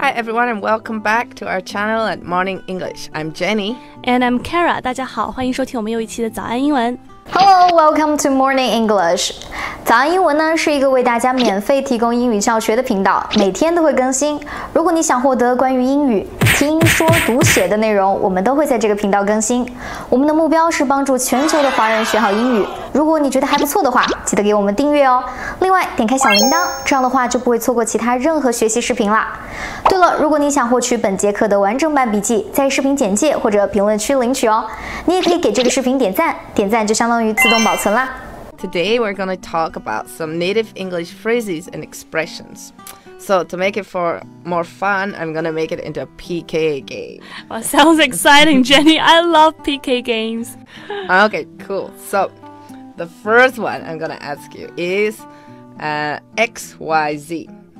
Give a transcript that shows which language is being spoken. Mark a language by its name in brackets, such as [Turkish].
[English] everyone, and welcome back to our channel at Morning English. I'm Jenny. And I'm Kara. [Chinese] 大家好，欢迎收听我们又一期的早安英文。 [English] Hello, welcome to Morning English. [Chinese] 早安英文呢是一个为大家免费提供英语教学的频道，每天都会更新。如果你想获得关于英语听说读写的内容，我们都会在这个频道更新。我们的目标是帮助全球的华人学好英语。如果你觉得还不错的话，记得给我们订阅哦。另外，点开小铃铛，这样的话就不会错过其他任何学习视频啦。对了，如果你想获取本节课的完整版笔记，在视频简介或者评论区领取哦。你也可以给这个视频点赞，点赞就相当于自动保存啦。 [English] Today we're going to talk about some native English phrases and expressions. So, to make it for more fun, I'm going to make it into a PK game. Well, sounds exciting, Jenny. I love PK games. Okay, cool. So, the first one I'm going to ask you is XYZ.